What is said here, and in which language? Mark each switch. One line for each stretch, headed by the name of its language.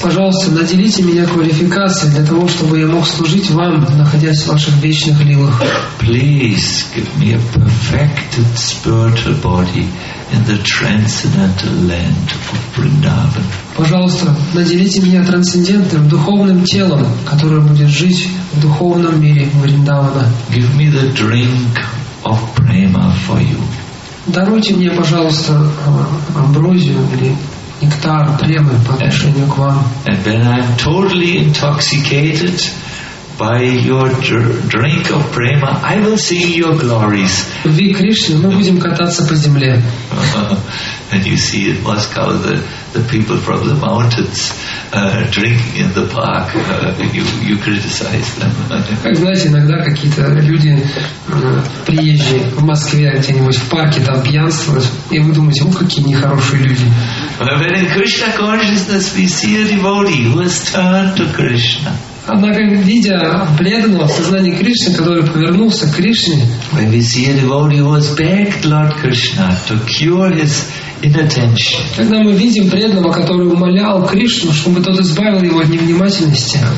Russian: Пожалуйста, наделите меня квалификацией для того, чтобы я мог служить вам, находясь в ваших вечных лилах.
English: Please give me a perfected spiritual body in the transcendental land of Vrindavan.
Russian: Пожалуйста, наделите меня трансцендентным духовным телом, которое будет жить в духовном мире Вриндавана.
English: Give me the drink of prema for you.
Russian: Даруйте мне, пожалуйста, амброзию или нектар, премы по отношению к вам.
English: And when I'm totally intoxicated by your drink of prema, I will sing your glories.
Russian: Вы, Кришна, мы будем кататься по земле.
English: And you see in Moscow the people from the mountains drinking in the park. You criticize them.
Russian: Как знаете, иногда какие-то люди приезжие в Москве где-нибудь в парке там пьянствуют, и вы думаете, ух, какие нехорошие люди.
English: But in Krishna consciousness, we see a devotee who has turned to Krishna.
Russian: Однако, видя преданного в сознании Кришны, который повернулся к Кришне,
English: when we see a devotee who has begged Lord Krishna to cure his inattention,
Russian: когда мы видим преданного, который умолял Кришну, чтобы тот избавил его от невнимательности,